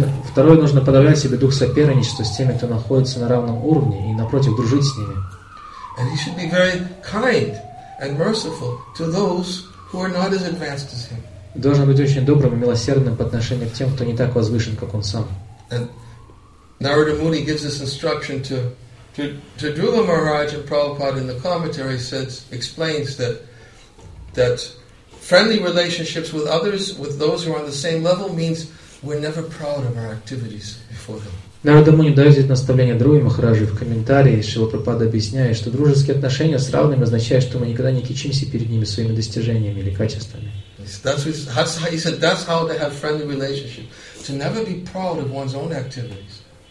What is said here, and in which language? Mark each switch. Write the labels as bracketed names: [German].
[Russian] Второе, нужно подавлять себе дух соперничества с теми, кто находится на равном уровне, и напротив, дружить с ними. [English] And he should be very kind and merciful to those who are not as advanced as him. [Russian] Должен быть очень добрым и милосердным по отношению к тем, кто не так возвышен, как он сам. [English] And Narada Muni gives this instruction to Dhruva Maharaj, and Prabhupada in the commentary says, explains that friendly relationships with others, with those who are on the same level, means we're never proud of our activities before them. [Russian] Народу Муни дает это наставление Друге Махараджу в комментарии, Шрила Прабхупада объясняет, что дружеские отношения с равными означают, что мы никогда не кичимся перед ними своими достижениями или качествами. [English] He said that's how to have friendly relationships, to never be proud of one's own activities.